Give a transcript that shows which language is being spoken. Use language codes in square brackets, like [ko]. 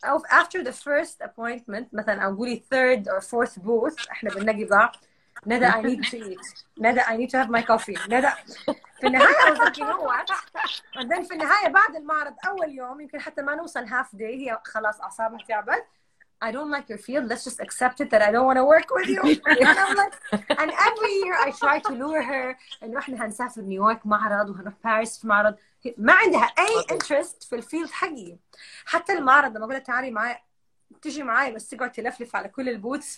[en] After the first appointment, [ar] مثلا أقولي [en] third or fourth booth, [ar] إحنا بنلاقي بعض. [en] ندى, I need to eat. ندى, I need to have my coffee. ندى. [ar] في النهاية أوزكي هو. And then في النهاية بعد المعرض أول يوم يمكن حتى ما نوصل half day هي خلاص أعصابها تعبت. [en] I don't like your field. Let's just accept it that I don't want to work with you. And every year I try to lure her. And we're going to go to New York, معرض, and go to Paris, معرض. [ar] ما عندها أي interest في الفيلد حقي. حتى المعرض لما أقول لها تعالي معي تجي معي بس تقعد تلفلف على كل البوتس.